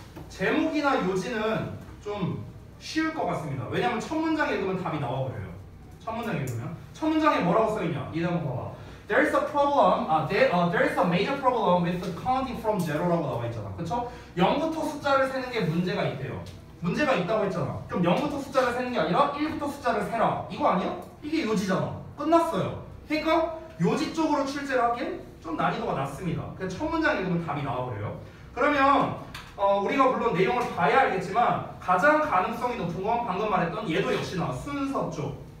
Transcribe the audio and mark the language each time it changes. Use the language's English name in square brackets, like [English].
[Korean] 제목이나 요지는 좀 쉬울 것 같습니다. 왜냐하면 첫 문장에 읽으면 답이 나와버려요. 첫 문장에 읽으면. 첫 문장에 뭐라고 써있냐. 이 대목 봐봐. [English] There's a problem. There's a major problem with counting from zero라고 [Korean] 나와 있잖아. 그렇죠? 0부터 숫자를 세는 게 문제가 있대요. 문제가 있다고 했잖아. 그럼 0부터 숫자를 세는 게 아니라 1부터 숫자를 세라. 이거 아니야? 이게 요지잖아. 끝났어요. 그러니까 요지 쪽으로 출제를 하기엔 좀 난이도가 낮습니다. 그냥 첫 문장 읽으면 답이 나와버려요. 그러면 우리가 물론 내용을 봐야 알겠지만 가장 가능성이 높은 건 방금 말했던 얘도 역시나 순서 쪽.